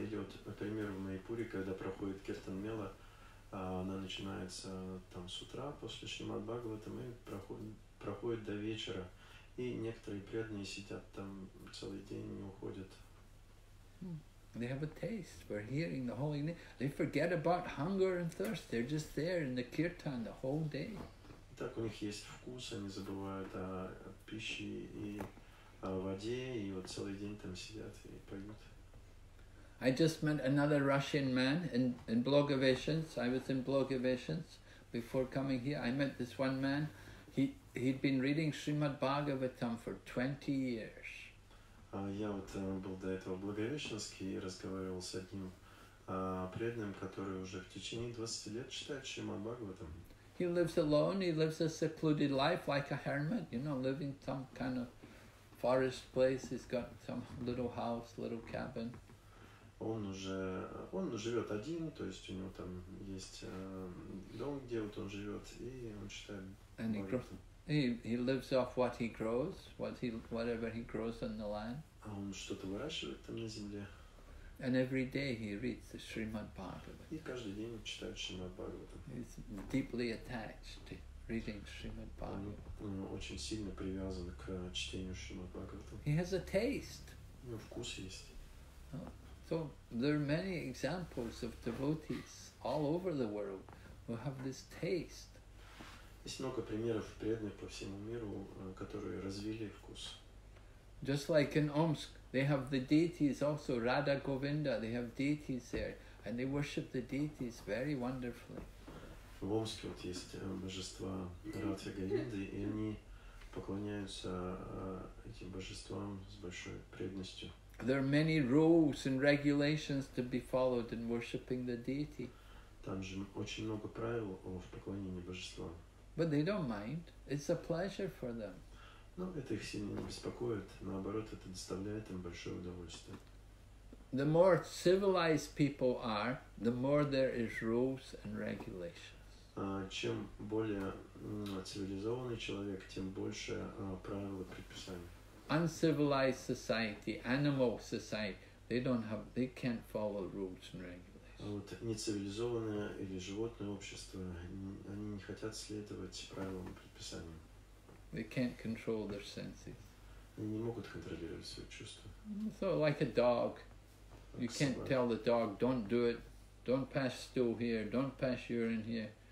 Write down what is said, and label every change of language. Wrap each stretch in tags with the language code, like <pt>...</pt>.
<ru>Или вот, например, в Майпуре, когда проходит киртан мела, она начинается там с утра после Шримад Бхагаватам и проходит до вечера. И некоторые преданные сидят там целый день, не уходят.</ru> <en>They have a taste for hearing the holy name. They forget about hunger and thirst. They're just there in the kirtan the whole day.</en> <ru>Так, у них есть вкус, они забывают о пище и о воде, и вот целый день там сидят и поют.</ru> <en>I just met another Russian man in Blagoveshchensk. I was in Blagoveshchensk before coming here. I met this one man. He'd been reading Srimad Bhagavatam for 20 years.</en> <ru>Я вот был до этого Благовещенский и разговаривал с одним преданным, который уже в течение 20 лет читает Шримад Бхагаватам.</ru> <en>He lives alone, he lives a secluded life like a hermit, you know, living in some kind of forest place. He's got some little house, little cabin.</en> <ru>Он живет один, то есть у него там есть дом, где вот он живет, и он читает Бхагаватам.</ru> <en>He lives off what he grows, whatever he grows on the land.</en> <ru>А он что-то выращивает там на земле.</ru> <en>And every day he reads the Srimad Bhagavatam.</en> <ru>И каждый день читает Шримад Бхагаватам.</ru> <en>He's deeply attached to reading Srimad Bhagavatam.</en> <ru>Он очень сильно привязан к чтению Шримад Бхагаватам.</ru> <en>He has a taste.</en> <ru>У него вкус есть.</ru> <en>So there are many examples of devotees all over the world who have this taste.</en> <ru>Есть много примеров преданных по всему миру, которые развили вкус.</ru> <en>Just like in Omsk, they have the deities also, Radha Govinda, they have deities there, and they worship the deities very wonderfully.</en> <ru>В Омске вот есть божества Радха Говинды, и они поклоняются этим божествам с большой преданностью.</ru> <en>There are many rules and regulations to be followed in worshiping the deity.</en> <ru>Там же очень много правил в поклонении божествам.</ru> <en>But they don't mind. It's a pleasure for them.</en> <ru>Но это их сильно не беспокоит. Наоборот, это доставляет им большое удовольствие.</ru> <en>The more civilized people are, the more there is rules and regulations.</en> <ru>Чем более цивилизованный человек, тем больше правил и предписаний.</ru> <en>Uncivilized society, animal society, they can't follow rules and regulations.</en> <ru>Вот нецивилизованное или животное общество, они не хотят следовать правилам и предписаниям.</ru> <en>They can't control their senses.</en> <ru>Они не могут контролировать свои чувства.</ru> <en>So like a dog, you can't tell the dog, don't do it, don't pass stool here, don't pass urine here.</en>